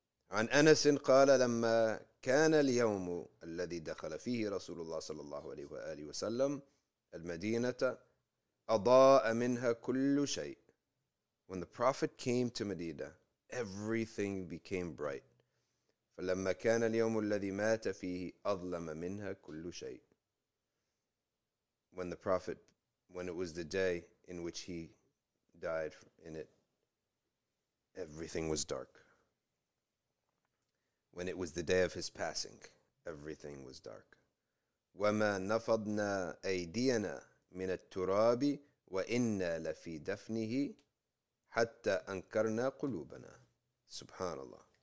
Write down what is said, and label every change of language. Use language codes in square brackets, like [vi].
[ar] عَنْ أَنَسٍ قَالَ لَمَّا كان اليوم الذي دخل فيه رسول الله صلى الله عليه وآله وسلم المدينة أضاء منها كل شيء. [en] When the Prophet came to Medina, everything became bright. [ar] فلما كان اليوم الذي مات فيه أظلم منها كل شيء. [en] When the Prophet, when it was the day in which he died in it, everything was dark. When it was the day of his passing, everything was dark. [ar] وَمَا نَفَضْنَا أَيْدِيَنَا مِنَ التُّرَابِ وَإِنَّا لَفِي دَفْنِهِ حَتَّى أَنْكَرْنَا قُلُوبَنَا. Subhanallah.